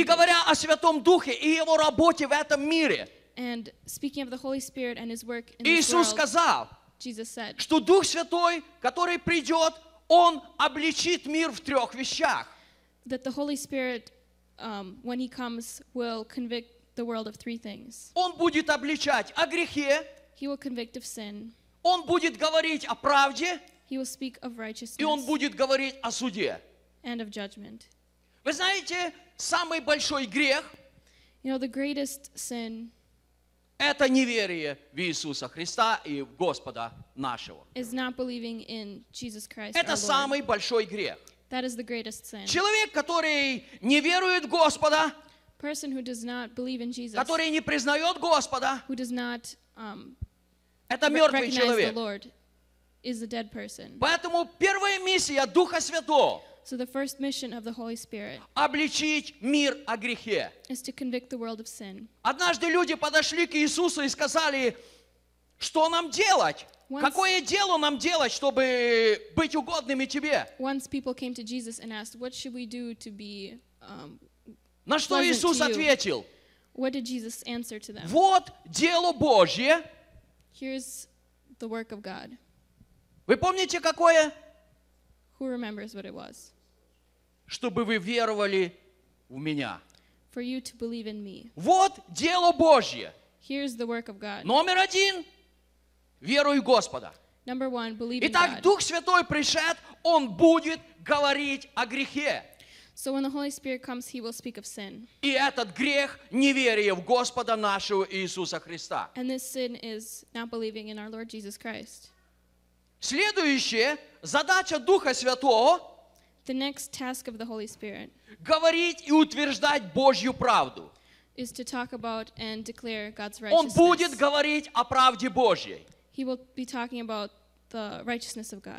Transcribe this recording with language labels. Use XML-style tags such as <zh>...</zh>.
<ru>И говоря о Святом Духе и его работе в этом мире.</ru> <en>And speaking of the Holy Spirit and his work in this world.</en> <ru>Иисус сказал,</ru> <en>Jesus said,</en> <ru>что Дух Святой, который придет, Он обличит мир в трех вещах.</ru> <en>That the Holy Spirit, when He comes, will convict the world of three things.</en> <ru>Он будет обличать о грехе.</ru> <en>He will convict of sin.</en> <ru>Он будет говорить о правде.</ru> <en>He will speak of righteousness.</en> <ru>И Он будет говорить о суде.</ru> <en>And of judgment.</en> <ru>Вы знаете, самый большой грех,</ru> <en>you know, the greatest sin,</en> <ru>это неверие в Иисуса Христа и в Господа нашего.</ru> <en>Is not believing in Jesus Christ,</en> <ru>это самый большой грех.</ru> <en>That is the greatest sin.</en> <ru>Человек, который не верует в Господа,</ru> <en>person who does not believe in Jesus,</en> <ru>который не признает Господа,</ru> <en>who does not,</en> <ru>это мертвый человек.</ru> <en>The Lord, is a dead person.</en> <ru>Поэтому первая миссия Духа Святого,</ru> <en>so the first mission of the Holy Spirit,</en> <ru>обличить мир о грехе,</ru> <en>is to convict the world of sin.</en> <ru>Однажды люди подошли к Иисусу и сказали, что нам делать?</ru> <en>Once,</en> <ru>какое дело нам делать, чтобы быть угодными тебе?</ru> <en>Once people came to Jesus and asked, what should we do to be</en> <ru>на что Иисус ответил?</ru> <en>What did Jesus answer to them?</en> <ru>Вот дело Божье.</ru> <en>Here's the work of God.</en> <ru>Вы помните, какое?</ru> <en>Who remembers what it was?</en> <ru>Чтобы вы веровали в меня.</ru> <en>For you to believe in me.</en> <ru>Вот дело Божье.</ru> <en>Here's the work of God.</en> <ru>Номер один. Веруй в Господа.</ru> <en>Number one, believe in</en> <ru>Итак,</ru> <en>God.</en> <ru>Итак, Дух Святой пришед, Он будет говорить о грехе.</ru> <en>So when the Holy Spirit comes, He will speak of sin.</en> <ru>И этот грех – неверие в Господа нашего Иисуса Христа.</ru> <en>And this sin is not believing in our Lord Jesus Christ.</en> <ru>Следующее – задача Духа Святого</ru> <en>– the next task of the Holy Spirit,</en> <ru>говорить и утверждать Божью правду.</ru> <en>Is to talk about and declare God's righteousness.</en> <ru>Он будет говорить о правде Божьей.</ru> <en>He will be talking about the righteousness of God.</en>